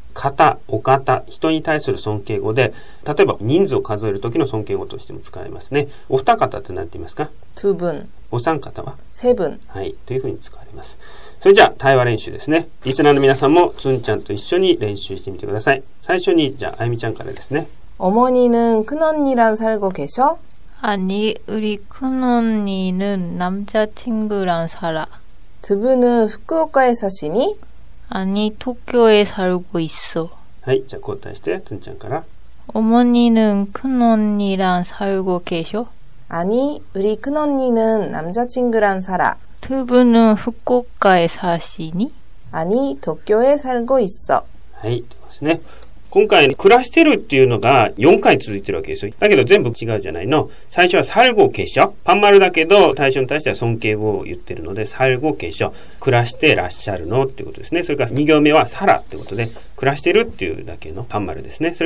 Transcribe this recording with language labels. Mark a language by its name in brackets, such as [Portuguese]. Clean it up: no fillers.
[Japanese] 方、お方、人に対する尊敬語で、例えば人数を数えるときの尊敬語としても使われますね。お二方って何て言いますか？ [Korean] 두분。 [Japanese] お三方は？セブン。はい、というふうに使われます。それじゃあ、対話練習ですね。リスナーの皆さんも、つんちゃんと一緒に練習してみてください。最初に、じゃあ、あゆみちゃんからですね。 [Korean] 어머니는큰언니랑살고계셔 아니、우리큰언니는남자친구랑살아。 두분은福岡에사시니 아니도쿄에살고있어 [Japanese] はい、じゃあ交代して、つんちゃんから。 어머니는큰언니랑살고계셔 아니우리큰언니는남자친구랑살아 두분은후쿠오카에사시니 아니도쿄에살고있어 はい、そうですね。今回暮らしてるっていうのが4回続いてるわけですよ。だけど全部違うじゃないの。最初は살고계셔、パンマルだけど対象に対しては尊敬語を言ってるので、살고계셔、暮らしてらっしゃるのっていうことですね。それから2行目は살아ってことで、暮らしてるっていうだけのパンマルですね。